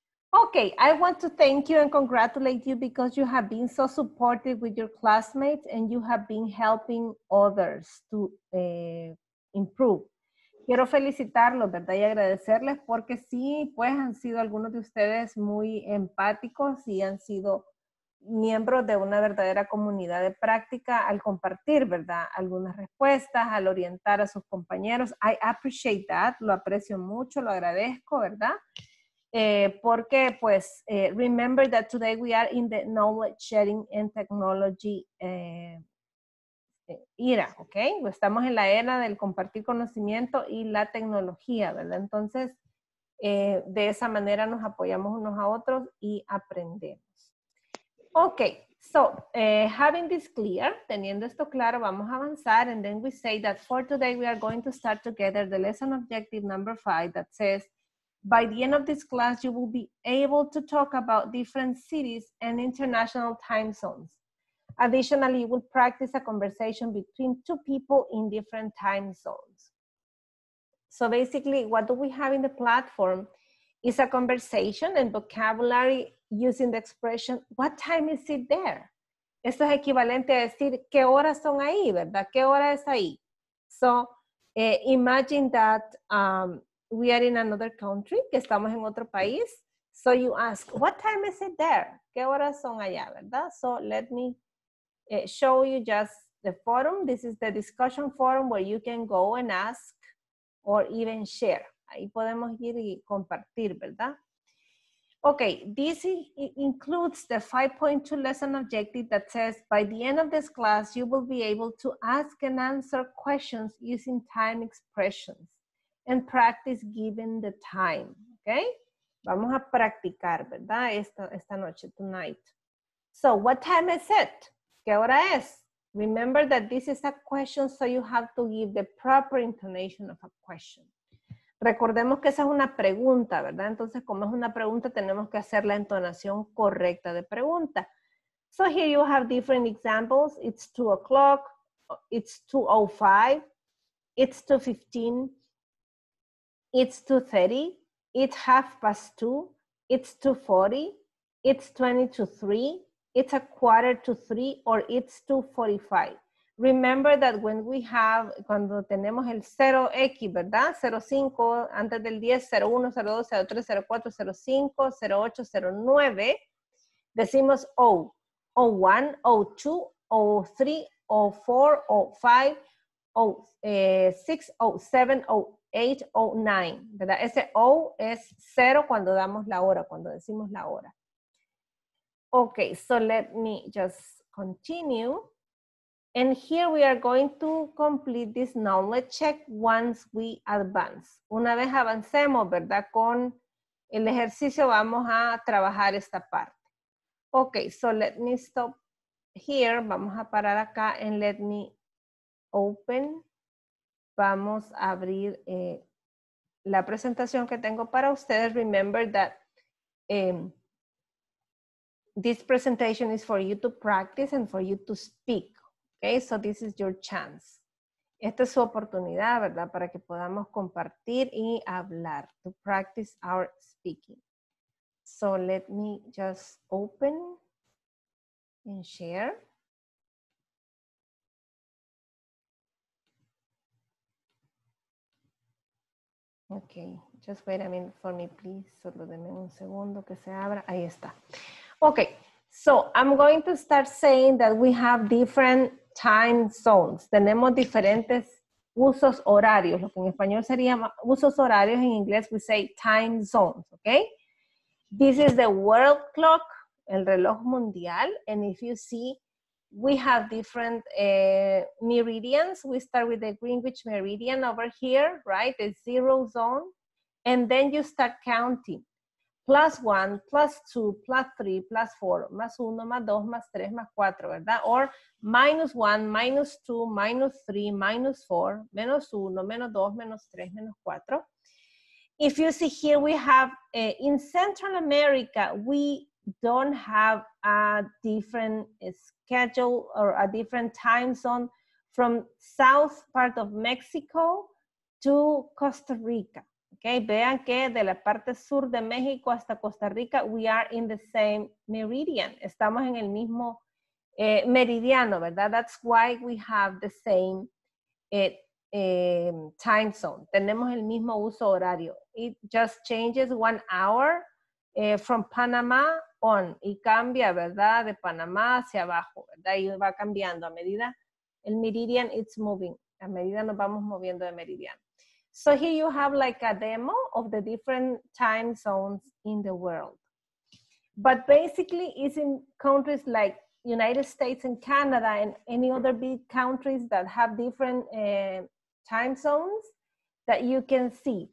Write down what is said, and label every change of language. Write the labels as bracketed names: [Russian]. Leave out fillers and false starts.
[English] Okay, I want to thank you and congratulate you because you have been so supportive with your classmates and you have been helping others to improve. [Spanish] Quiero felicitarlos, ¿verdad? Y agradecerles porque sí, pues han sido algunos de ustedes muy empáticos y han sido miembros de una verdadera comunidad de práctica al compartir, ¿verdad? Algunas respuestas, al orientar a sus compañeros. [English] I appreciate that, [Spanish] lo aprecio mucho, lo agradezco, ¿verdad? Porque, pues, [English] remember that today we are in the knowledge sharing and technology era, [Spanish] ¿ok? Estamos en la era del compartir conocimiento y la tecnología, ¿verdad? Entonces, de esa manera nos apoyamos unos a otros y aprendemos. [English] Ok, so, having this clear, [Spanish] teniendo esto claro, vamos a avanzar [English] and then we say that for today we are going to start together the lesson objective number 5 that says, by the end of this class you will be able to talk about different cities and international time zones. Additionally, you will practice a conversation between two people in different time zones. So basically, what do we have in the platform is a conversation and vocabulary using the expression, what time is it there? [Spanish] Esto es equivalente a decir, ¿qué horas son ahí, verdad? ¿Qué hora es ahí? [English] So Imagine that we are in another country, [Spanish] que estamos en otro país. [English] So you ask, what time is it there? [Spanish] ¿Qué horas son allá, verdad? [English] So let me show you just the forum. This is the discussion forum where you can go and ask or even share. [Spanish] Ahí podemos ir y compartir, ¿verdad? [English] Okay, this includes the 5.2 lesson objective that says, by the end of this class, you will be able to ask and answer questions using time expressions and practice given the time, okay? [Spanish] Vamos a practicar, ¿verdad? Esta noche, [English] tonight. So, what time is it? [Spanish] ¿Qué hora es? [English] Remember that this is a question, so you have to give the proper intonation of a question. [Spanish] Recordemos que esa es una pregunta, ¿verdad? Entonces, como es una pregunta, tenemos que hacer la entonación correcta de pregunta. [English] So, here you have different examples. It's 2 o'clock. It's 2:05. It's 2:15. It's 2:30. It's 2:30. It's 2:40. It's 2:40. It's 2:45. Or it's 2:45. Remember that when we have, [Spanish] cuando tenemos el 0X, ¿verdad? 0:05, antes del 10, 0:01, 0:02, 0:03, 0:04, 0:05, 0:08, 0:09, decimos 0:01, 0:02, 0:03, 0:04, 0:05, 0:06, 0:07, 0:08, 0:09, ¿verdad? Ese O es 0 cuando damos la hora, cuando decimos la hora. [English] Okay, so let me just continue. And here we are going to complete this knowledge check once we advance. [Spanish] Una vez avancemos, ¿verdad? Con el ejercicio vamos a trabajar esta parte. [English] Okay, so let me stop here. [Spanish] Vamos a parar acá [English] and let me open. [Spanish] Vamos a abrir la presentación que tengo para ustedes. [English] Remember that this presentation is for you to practice and for you to speak. Okay, so this is your chance. [Spanish] Esta es su oportunidad, ¿verdad? Para que podamos compartir y hablar. [English] To practice our speaking. So let me just open and share. Okay, just wait a minute for me, please. [Spanish] Solo denme un segundo que se abra. Ahí está. [English] Okay, so I'm going to start saying that we have different time zones. [Spanish] Tenemos diferentes usos horarios. Lo que en español sería usos horarios, en inglés [English] we say time zones, okay? This is the world clock, [Spanish] el reloj mundial. [English] And if you see, we have different meridians. We start with the Greenwich Meridian over here, right? The zero zone. And then you start counting. Plus one, plus two, plus three, plus four, [Spanish] más uno, más dos, más tres, más cuatro, ¿verdad? [English] Or minus one, minus two, minus three, minus four, [Spanish] menos uno, menos dos, menos tres, menos cuatro. [English] If you see here, we have, in Central America, we don't have a different schedule or a different time zone from south part of Mexico to Costa Rica. [Spanish] Okay, vean que de la parte sur de México hasta Costa Rica, [English] we are in the same meridian. [Spanish] Estamos en el mismo meridiano, ¿verdad? [English] That's why we have the same time zone. [Spanish] Tenemos el mismo uso horario. [English] It just changes 1 hour from Panama on. [Spanish] Y cambia, ¿verdad? De Panamá hacia abajo, ¿verdad? Y va cambiando a medida. El meridian, [English] it's moving. [Spanish] A medida nos vamos moviendo de meridiano. [English] So here you have like a demo of the different time zones in the world. But basically it's in countries like United States and Canada and any other big countries that have different time zones that you can see.